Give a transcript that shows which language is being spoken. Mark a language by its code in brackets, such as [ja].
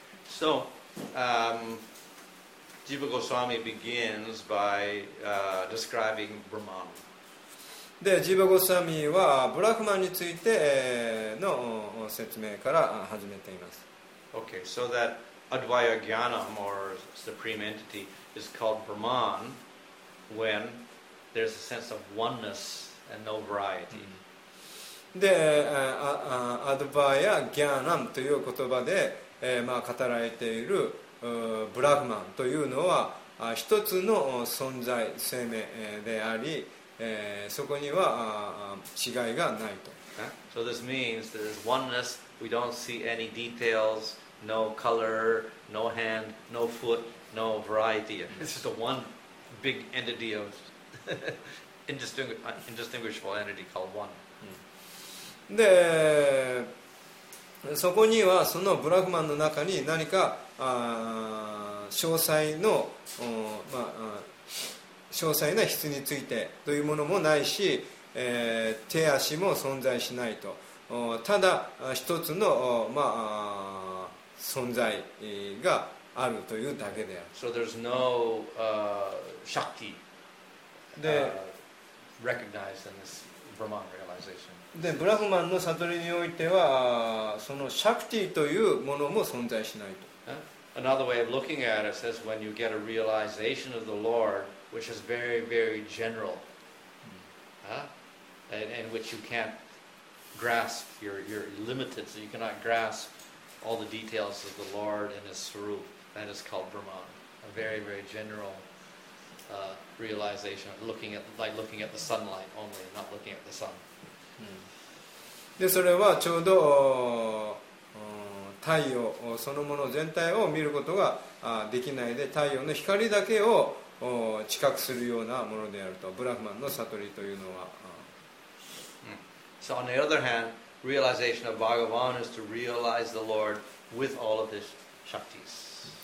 [en] So, Jiva Goswami begins by describing Brahman. [ja] で、Jiva Goswamiはブラフマンについての説明から始めています。 [en] Okay, so that Advaita Jnanam or supreme entity is called Brahman when there's a sense of oneness. And no variety. [ja] で、アドバやギャーナムという言葉で、まあ、語られているブラフマンというのは一つの存在生命であり、そこには違いがないと。 [en] So this means there's oneness. We don't see any details. No color. No hand. No foot. No variety. It's just a one big entity of. indistinguishable entity called one. [ja] で、そこにはそのブラフマンの中に何か詳細の、まあ、詳細な質についてというものもないし、手足も存在しないと。ただ一つの、まあ、存在があるというだけである。 [en] So there's no shakti. で、 Recognized in this Brahman realization. [ja] で、ブラフマンの悟りにおいては、そのシャクティというものも存在しないと。 [en] Another way of looking at it says when you get a realization of the Lord, which is very, very general, and which you can't grasp, you're limited, so you cannot grasp all the details of the Lord and His Swarup, that is called Brahman, a very, very general. Realization, looking at like looking at the sunlight only, not looking at the sun. [ja] で、それはちょうど太陽そのもの全体を見ることができないで、太陽の光だけを知覚するようなものであると、ブラフマンの悟りというのは。 [en] So on the other hand, realization of Bhagavan is to realize the Lord with all of his shaktis.